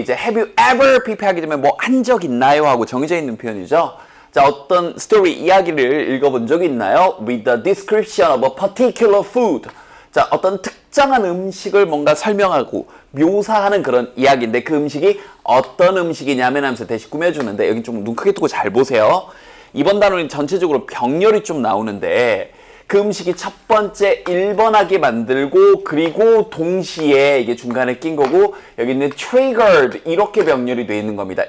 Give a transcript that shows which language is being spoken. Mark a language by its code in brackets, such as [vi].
[ko] 이제 [en] have you ever [ko] PP 하게 되면 뭐 한 적 있나요? 하고 정해져 있는 표현이죠. 자, 어떤 story 이야기를 읽어본 적 있나요? [en] With the description of a particular food. [ko] 자, 어떤 특정한 음식을 뭔가 설명하고 묘사하는 그런 이야기인데 그 음식이 어떤 음식이냐면 하면서 대신 꾸며주는데 여기 좀 눈 크게 뜨고 잘 보세요. 이번 단어는 전체적으로 병렬이 좀 나오는데 그 음식이 첫 번째 1번하게 만들고 그리고 동시에 이게 중간에 낀 거고 여기 있는 triggered 이렇게 병렬이 돼 있는 겁니다.